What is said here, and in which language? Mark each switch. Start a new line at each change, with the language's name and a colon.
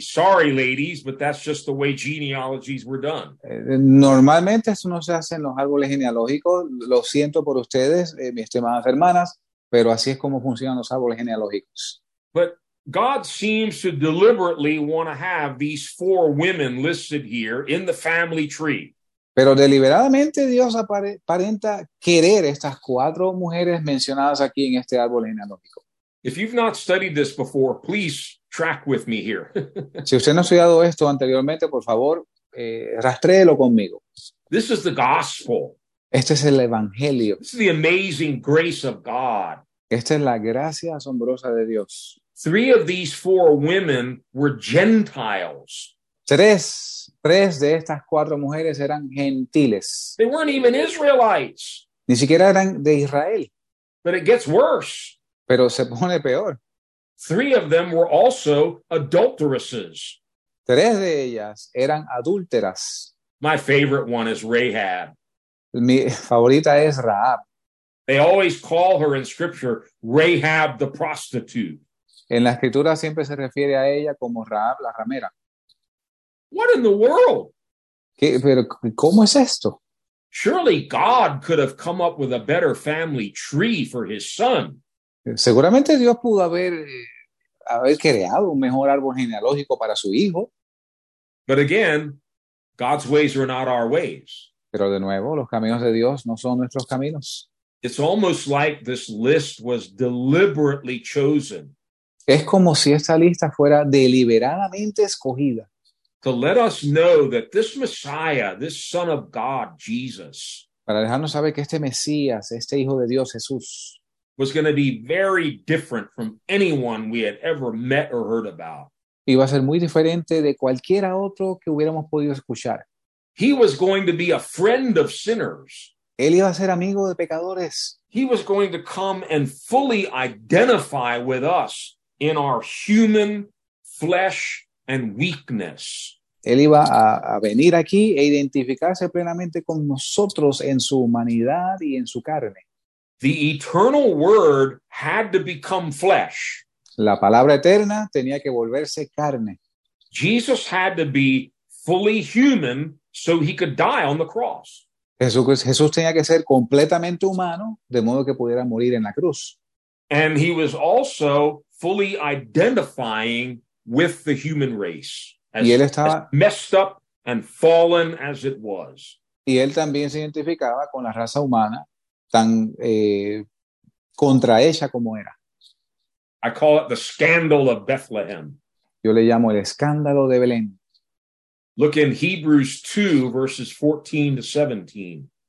English: Sorry, ladies, but that's just the way genealogies were done.
Spanish: Normalmente eso no se hace en los árboles genealógicos. Lo siento por ustedes, mis estimadas hermanas, pero así es como funcionan los árboles genealógicos.
English: But God seems to deliberately want to have these four women listed here in the family tree.
Spanish: Pero deliberadamente Dios aparenta querer estas cuatro mujeres mencionadas aquí en este árbol genealógico.
English: If you've not studied this before, please track with me here.
Spanish: Si usted no ha estudiado esto anteriormente, por favor, rastréelo conmigo.
English: This is the gospel.
Spanish: Este es el evangelio.
English: This is the amazing grace of God.
Spanish: Esta es la gracia asombrosa de Dios.
English: Three of these four women were Gentiles.
Spanish: Tres de estas cuatro mujeres eran gentiles.
English: They weren't even Israelites.
Spanish: Ni siquiera eran de Israel.
English: But it gets worse.
Spanish: Pero se pone peor.
English: Three of them were also adulteresses.
Spanish: Tres de ellas eran adúlteras.
English: My favorite one is Rahab.
Spanish: Mi favorita es Rahab.
English: They always call her in scripture Rahab the prostitute.
Spanish: En la escritura siempre se refiere a ella como Rahab la ramera.
English: What in the world?
Spanish: ¿Qué, pero cómo es esto?
English: Surely God could have come up with a better family tree for his son.
Spanish: Seguramente Dios pudo haber creado un mejor árbol genealógico para su hijo.
English: But again, God's ways are not our ways.
Spanish: Pero de nuevo, los caminos de Dios no son nuestros caminos.
English: It's almost like this list was deliberately chosen.
Spanish: Es como si esta lista fuera deliberadamente escogida.
English: To let us know that this Messiah, this Son of God, Jesus,
Spanish: para dejarnos saber que este Mesías, este Hijo de Dios, Jesús,
English: was going to be very different from anyone we had ever met or heard about.
Spanish: Iba a ser muy diferente de cualquiera otro que hubiéramos podido escuchar.
English: He was going to be a friend of sinners.
Spanish: Él iba a ser amigo de pecadores.
English: He was going to come and fully identify with us in our human flesh and weakness.
Spanish: Él iba a venir aquí e identificarse plenamente con nosotros en su humanidad y en su carne.
English: The eternal word had to become flesh.
Spanish: La palabra eterna tenía que volverse carne.
English: Jesus had to be fully human so he could die on the cross.
Spanish: Jesús tenía que ser completamente humano de modo que pudiera morir en la cruz.
English: And he was also fully identifying with the human race. As messed up and fallen as it was.
Spanish: Y él también se identificaba con la raza humana tan contrahecha como era.
English: I call it the scandal of Bethlehem.
Spanish: Yo le llamo el escándalo de Belén.
English: Look in Hebrews 2, verses 14 to 17.